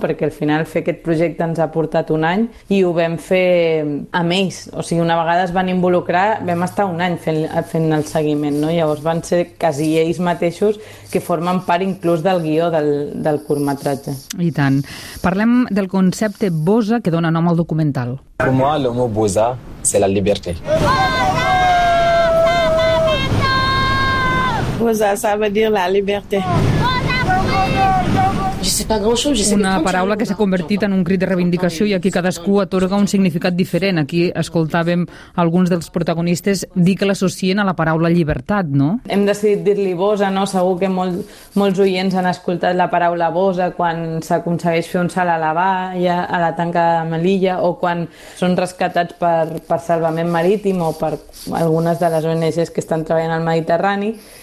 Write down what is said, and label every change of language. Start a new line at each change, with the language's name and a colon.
Catalan: Perquè al final fer aquest projecte ens ha portat un any i ho vam fer amb ells, o sigui, una vegada es van involucrar, vam estar un any fent el seguiment, no? Llavors van ser quasi ells mateixos que formen part inclús del guió del curtmetratge. I tant. Parlem del concepte Bosa, que dona nom al documental. Per mi, el mot Bosa és la llibertat.
French: Bosa, ça veut dire la liberté.
Catalan: Una paraula que s'ha convertit en un crit de reivindicació i aquí cadascú atorga un significat diferent. Aquí escoltàvem alguns dels protagonistes dir que l'associen a la paraula llibertat, no? Hem decidit dir-li Bosa, no? Segur que molts oients han escoltat la paraula Bosa quan s'aconsegueix fer un salt a la valla, a la tanca de Melilla, o quan són rescatats per Salvament Marítim o per algunes de les ONGs que estan treballant al Mediterrani.